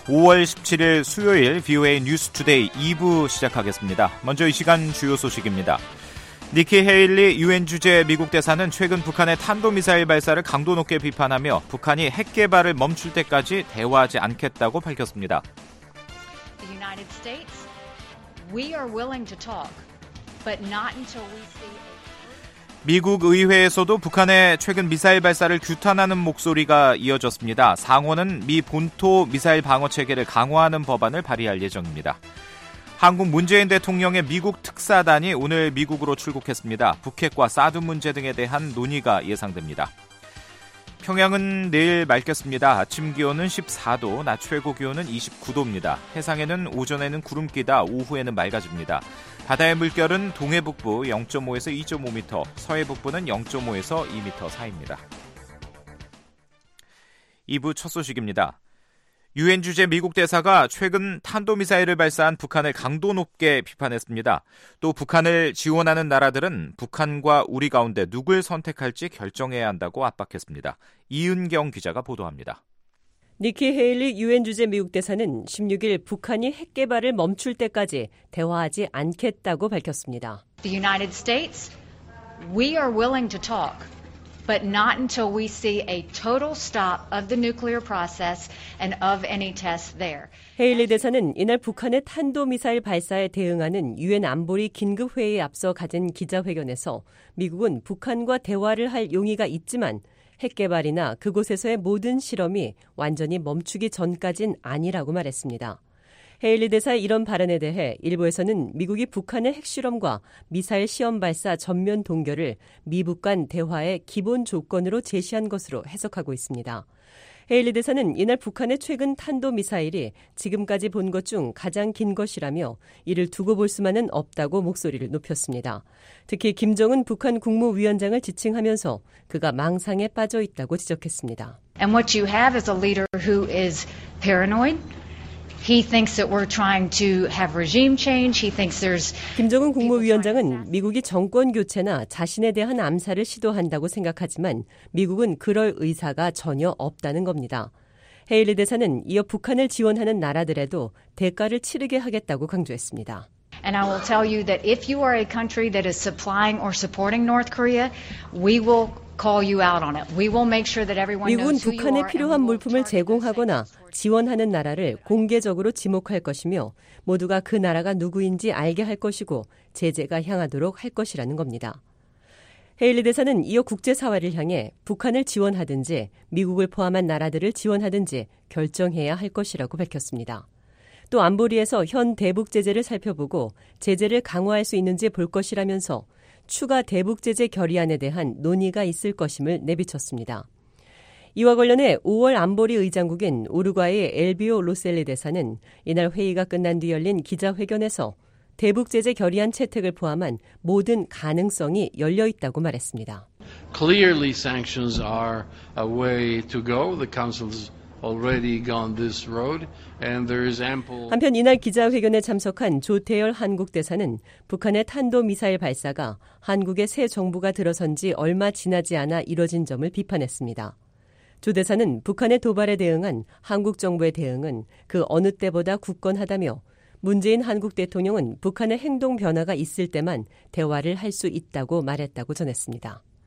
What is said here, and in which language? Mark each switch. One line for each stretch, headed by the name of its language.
Korean: 5월 17일 수요일 비오에이 뉴스 투데이 2부 시작하겠습니다. 먼저 이 시간 주요 소식입니다. 니키 헤일리 유엔 주재 미국 대사는 최근 북한의 탄도미사일 발사를 강도 높게 비판하며 북한이 핵 개발을 멈출 때까지 대화하지 않겠다고 밝혔습니다.
English: The United States, we are willing to talk, but not until we see.
Korean: 미국 의회에서도 북한의 최근 미사일 발사를 규탄하는 목소리가 이어졌습니다. 상원은 미 본토 미사일 방어 체계를 강화하는 법안을 발의할 예정입니다. 한국 문재인 대통령의 미국 특사단이 오늘 미국으로 출국했습니다. 북핵과 사드 문제 등에 대한 논의가 예상됩니다. 평양은 내일 맑겠습니다. 아침 기온은 14도, 낮 최고 기온은 29도입니다. 해상에는 오전에는 구름 끼다, 오후에는 맑아집니다. 바다의 물결은 동해북부 0.5에서 2.5m, 서해북부는 0.5에서 2m 사이입니다. 2부 첫 소식입니다. 유엔 주재 미국 대사가 최근 탄도미사일을 발사한 북한을 강도 높게 비판했습니다. 또 북한을 지원하는 나라들은 북한과 우리 가운데 누굴 선택할지 결정해야 한다고 압박했습니다. 이은경 기자가 보도합니다. 니키 헤일리 유엔 주재 미국 대사는 16일 북한이 핵 개발을 멈출 때까지 대화하지 않겠다고 밝혔습니다.
English: The United States, we are willing to talk. But not until we see a total stop of the nuclear process and of any tests there.
Korean: 헤일리 대사는 이날 북한의 탄도미사일 발사에 대응하는 유엔 안보리 긴급회의에 앞서 가진 기자회견에서 미국은 북한과 대화를 할 용의가 있지만 핵 개발이나 그곳에서의 모든 실험이 완전히 멈추기 전까진 아니라고 말했습니다. 헤일리 대사의 이런 발언에 대해 일부에서는 미국이 북한의 핵실험과 미사일 시험 발사 전면 동결을 미북 간 대화의 기본 조건으로 제시한 것으로 해석하고 있습니다. 헤일리 대사는 이날 북한의 최근 탄도미사일이 지금까지 본 것 중 가장 긴 것이라며 이를 두고 볼 수만은 없다고 목소리를 높였습니다. 특히 김정은 북한 국무위원장을 지칭하면서 그가 망상에 빠져 있다고 지적했습니다.
English: And what you have is a leader who is paranoid. He thinks that we're trying to have regime change. He thinks there's
Korean: 김정은 국무위원장은 미국이 정권 교체나 자신에 대한 암살을 시도한다고 생각하지만 미국은 그럴 의사가 전혀 없다는 겁니다. 헤일리 대사는 이어 북한을 지원하는 나라들에도 대가를 치르게 하겠다고 강조했습니다.
English: And I will tell you that if you are a country that is supplying or supporting North Korea, we will call you out on it. We will make sure that everyone knows who you are.
Korean: 미국은 북한에 필요한 물품을 제공하거나 지원하는 나라를 공개적으로 지목할 것이며 모두가 그 나라가 누구인지 알게 할 것이고 제재가 향하도록 할 것이라는 겁니다. 헤일리 대사는 이어 국제사회를 향해 북한을 지원하든지 미국을 포함한 나라들을 지원하든지 결정해야 할 것이라고 밝혔습니다. 또 안보리에서 현 대북 제재를 살펴보고 제재를 강화할 수 있는지 볼 것이라면서 추가 대북 제재 결의안에 대한 논의가 있을 것임을 내비쳤습니다. 이와 관련해 5월 안보리 의장국인 우루과이의 엘비오 로셀리 대사는 이날 회의가 끝난 뒤 열린 기자회견에서 대북 제재 결의안 채택을 포함한 모든 가능성이 열려 있다고 말했습니다.
English: Clearly sanctions are a way to go. The council's already gone this road and there is ample
Korean: 한편 이날 기자회견에 참석한 조태열 한국 대사는 북한의 탄도 미사일 발사가 한국의 새 정부가 들어선 지 얼마 지나지 않아 이뤄진 점을 비판했습니다. 조 대사는 북한의 도발에 대응한 한국 정부의 대응은 그 어느 때보다 굳건하다며 문재인 한국 대통령은 북한의 행동 변화가 있을 때만 대화를 할 수 있다고 말했다고 전했습니다.